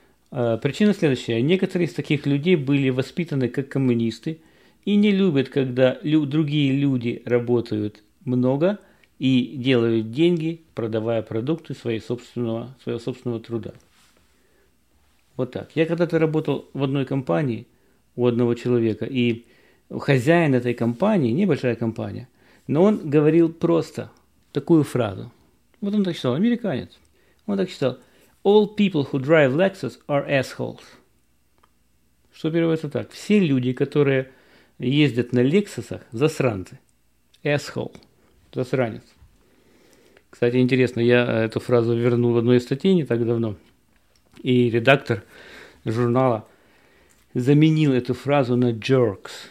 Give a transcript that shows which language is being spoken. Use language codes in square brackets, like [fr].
[ru] Причина следующая. Некоторые из таких людей были воспитаны как коммунисты и не любят, когда другие люди работают много и делают деньги, продавая продукты своего собственного труда. Вот так. Я когда-то работал в одной компании у одного человека, и хозяин этой компании, небольшая компания, но он говорил просто такую фразу. Вот он так считал, американец. Он так считал. [en] All people who drive Lexus are assholes. [ru] Что переводится так? Все люди, которые ездят на Лексусах, засранцы. Asshole. Засранец. Кстати, интересно, я эту фразу вернул в одной из статей не так давно. И редактор журнала заменил эту фразу на jerks.